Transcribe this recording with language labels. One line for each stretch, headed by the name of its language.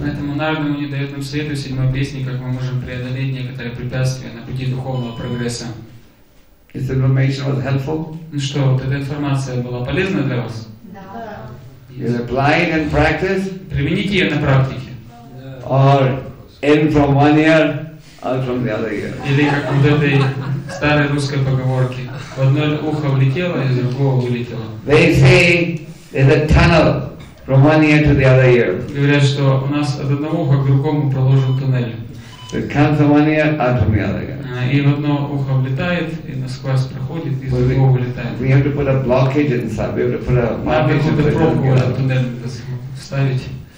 Russian: Поэтому Нарада Муни дает нам советы в седьмой песне, как мы можем преодолеть некоторые препятствия на пути духовного прогресса.
English: Is the information was helpful?
Russian: Ну что, вот эта информация была полезна для вас? Да.
English: Yes. Is applying in practice?
Russian: Примените ее на практике.
English: Yeah. Or in from one ear, out from the other ear.
Russian: Или как вот этой старой русской поговорки: в одно ухо влетело, из другого вылетело.
English: They say there's a tunnel. From one ear to the other ear.
Russian: Говорят, что у нас от одного уха к другому проложен туннель.
English: So it comes from one ear, out from the other ear.
Russian: И в одно ухо влетает, и насквозь проходит, и из другого влетает.
English: We have to put a blockage inside. We have to put a blockage inside.
Russian: Надо какую-то пробку в туннель вставить.